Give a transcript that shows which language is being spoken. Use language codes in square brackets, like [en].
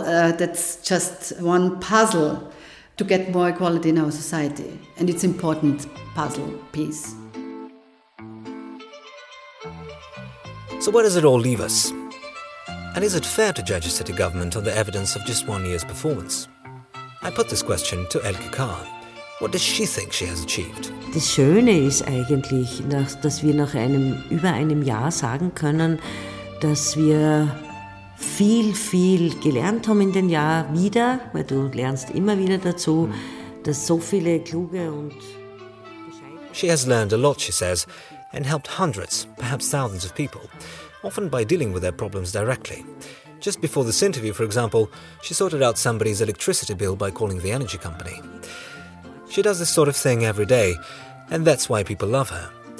[en] That's just one puzzle to get more equality in our society. And it's important puzzle piece. So where does it all leave us? And is it fair to judge a city government on the evidence of just 1 year's performance? I put this question to Elke Kahn. What does she think she has achieved? [de] Das Schöne ist eigentlich, dass wir nach über einem Jahr sagen können, dass wir viel, viel gelernt haben in dem Jahr wieder, weil du lernst immer wieder dazu, dass so viele kluge und [en] She has learned a lot, she says, and helped hundreds, perhaps thousands of people, often by dealing with their problems directly. Just before this interview, for example, she sorted out somebody's electricity bill by calling the energy company. She does this sort of thing every day, and that's why people love her.